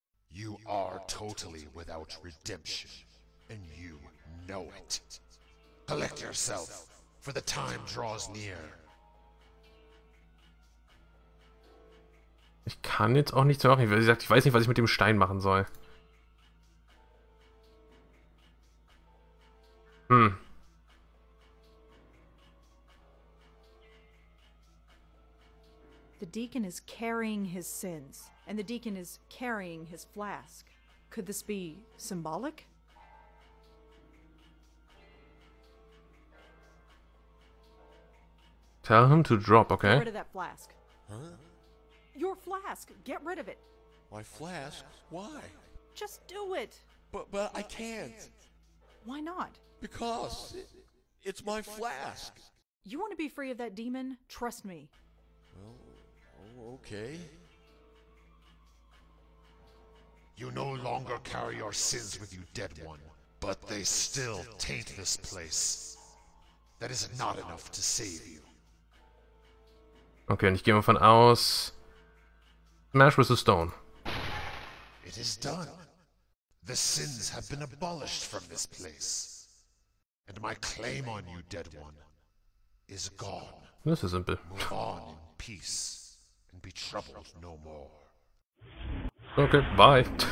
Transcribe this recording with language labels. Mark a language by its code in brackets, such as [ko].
[en] You are totally without redemption, and you know it. Collect yourself, for the time draws near. [de] Ich kann jetzt auch nichts machen. Wie gesagt, ich weiß nicht, was ich mit dem Stein machen soll. Hm. [en] The deacon is carrying his sins, and the deacon is carrying his flask. Could this be symbolic? Tell him to drop, okay? Get rid of that flask. Huh? Your flask! Get rid of it! My flask? Why? Just do it! But I can't! Why not? Because it's my flask! You want to be free of that demon? Trust me. Well, okay. You no longer carry your sins with you, dead one. But they still taint this place. That is not enough to save you. [de] Okay, und ich gehe mal von aus. [en] Smash with the stone. It is done. The sins have been abolished from this place. And my claim on you, dead one, is gone. This is simple. Move on in peace and be troubled no more. Okay, bye.